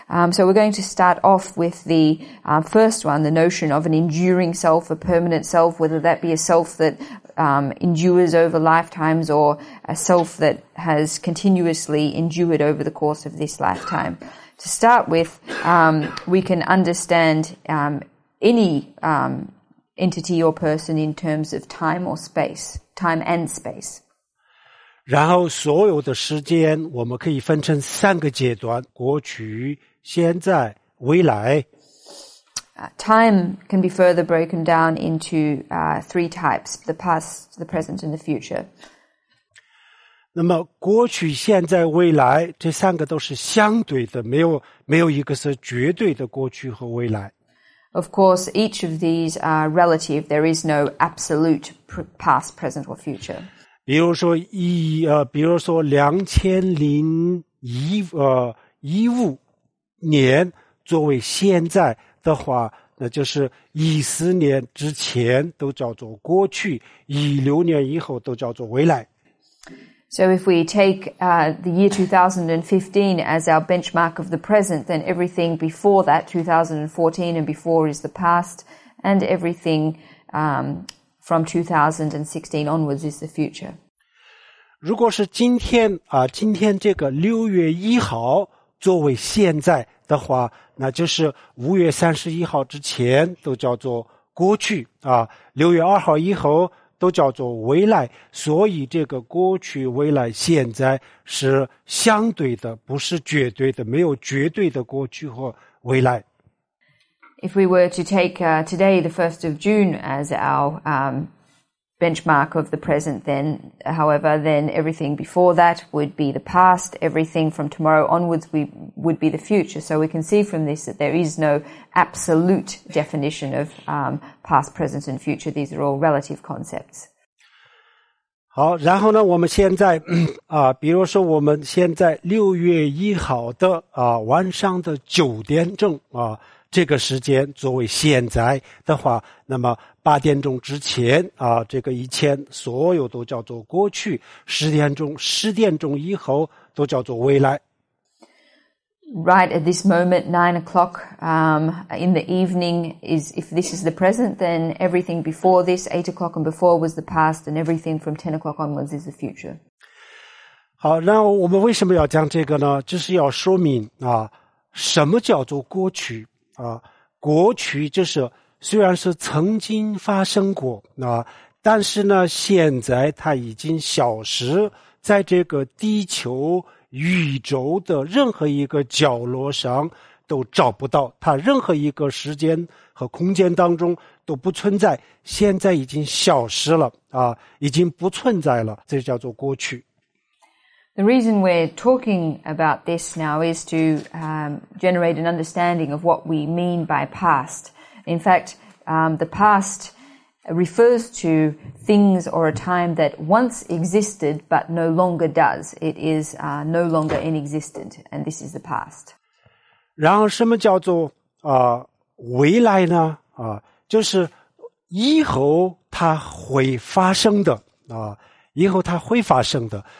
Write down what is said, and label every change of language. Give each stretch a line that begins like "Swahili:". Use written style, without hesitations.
English: So we're going to start off with the first one, the notion of an enduring self, a permanent self, whether that be a self that endures over lifetimes or a self that has continuously endured over the course of this lifetime. To start with, we can understand any entity or person in terms of time or space, time and space.
Chinese: 然后所有的时间我们可以分成三个阶段，过去、现在、未来。
English: Time can be further broken down into three types, the past, the present, and the future.
Chinese: 那么过去、现在、未来，这三个都是相对的，没有一个是绝对的过去和未来。
English: Of course, each of these are relative. There is no absolute past, present, or future.
Chinese: 比如说2015年作为现在的话，那就是14年之前都叫做过去，16年以后都叫做未来。
English: So if we take the year 2015 as our benchmark of the present, then everything before that, 2014 and before, is the past, and everything from 2016 onwards is the future.
Chinese: 如果是今天这个6月1号作为现在的话，那就是5月31号之前都叫做过去啊，6月2号以后都叫做未来，所以这个过去、未来、现在是相对的，不是绝对的，没有绝对的过去和未来。
English: If we were to take today, the 1st of June, as our benchmark of the present, then everything before that would be the past, everything from tomorrow onwards would be the future. So we can see from this that there is no absolute definition of past, present, and future. These are all relative concepts.
Chinese: 好，然后呢，我们现在比如说我们现在6月1号的晚上的9点钟这个时间作为现在的话，那么8点钟之前这个以前所有都叫做过去，10点钟以后都叫做未来。
English: Right at this moment, 9 o'clock in the evening is, if this is the present, then everything before this, 8 o'clock and before, was the past, and everything from 10 o'clock onwards is the future.
Chinese: 好，那我们为什么要讲这个呢？就是要说明什么叫做过去啊？过去就是，虽然是曾经发生过但是呢现在它已经消失在这个地球宇宙的任何一个角落上，都找不到它，任何一个时间和空间当中都不存在，现在已经消失了已经不存在了，这叫做过去。
English: The reason we're talking about this now is to generate an understanding of what we mean by past. In fact, the past refers to things or a time that once existed but no longer does. It is no longer in existent, and this is the past.
Chinese: 然后什么叫做未来呢？就是以后它会发生的以后它会发生的。